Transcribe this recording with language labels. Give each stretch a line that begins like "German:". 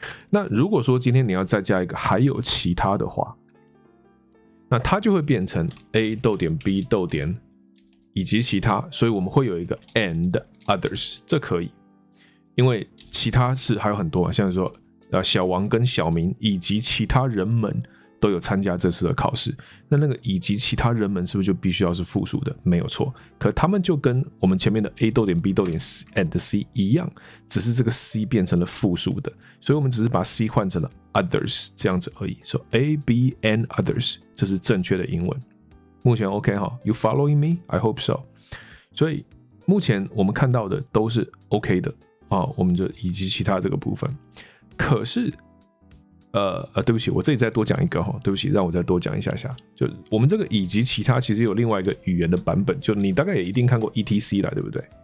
Chinese: 那如果说今天你要再加一个还有其他的话，那它就会变成 A 逗点 B 逗点以及其他，所以我们会有一个 and others， 这可以，因为其他是还有很多嘛，像说小王跟小明以及其他人们都有参加这次的考试，那个以及其他人们是不是就必须要是复数的？没有错，可他们就跟我们前面的 A 逗点 B 逗点 and C 一样，只是这个 C 变成了复数的，所以我们只是把 C 换成了 others 这样子而已。所以 A B and others 这是正确的英文，目前 OK 哈 ？
English: You following me? I hope so。
Chinese: 所以目前我们看到的都是 OK 的啊，我们就以及其他这个部分，可是。对不起，我这里再多讲一个齁，对不起，让我再多讲一下下。就我们这个以及其他其实有另外一个语言的版本，就你大概也一定看过 ETC 啦，对不对？